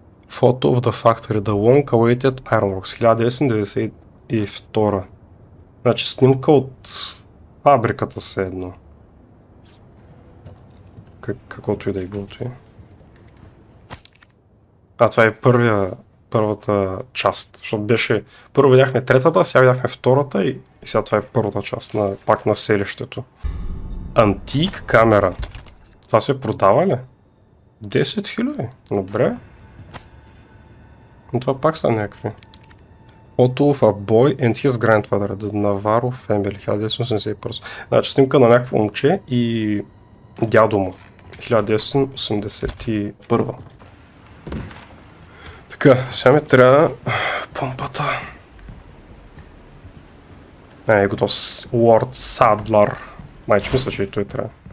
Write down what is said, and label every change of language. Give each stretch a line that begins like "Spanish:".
English: Photo of the Factory, the Long Awaited Ironworks, 1992.
Bulgarian: Значи снимка от фабриката се едно. Каквото и да е било това. А това е първата част, защото беше... Първо видяхме третата, сега видяхме втората и сега това е първата част, пак на селището. Антик камера. Това се продава ли? 10 000, добре. Но това пак са някакви.
English: Photo of a boy and his grandfather, the Navarro family, 1981.
Bulgarian: Значи снимка на някакво момче и дядо му, 1981. Така, сега ми трябва помпата. Ай, готов с Лорд Садлар. Майче мисля, че и той трябва.